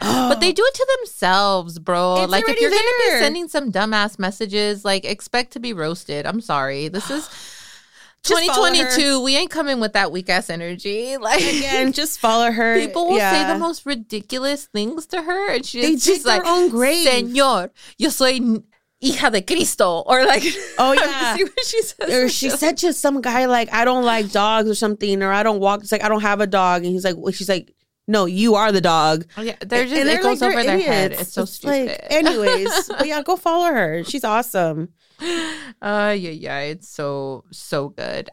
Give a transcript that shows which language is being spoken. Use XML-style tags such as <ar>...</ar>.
<en>But they do it to themselves, bro. It's like, if you're going to be sending some dumbass messages, like, expect to be roasted. I'm sorry. This is 2022. We ain't coming with that weak ass energy. Like, again, just follow her. People will say the most ridiculous things to her. And she's just like, own grave.</en> <es>Señor, yo soy hija de Cristo.</es> <en>Or like, oh yeah. See what she says. Or she said to some guy, like, I don't like dogs or something, or I don't walk. It's like, I don't have a dog. And he's like, well, she's like, no, you are the dog. Yeah, they're just, they're, it goes, like, over their head. It's so stupid. Like, anyways, but yeah, go follow her. She's awesome. Yeah, it's so, so good.</en>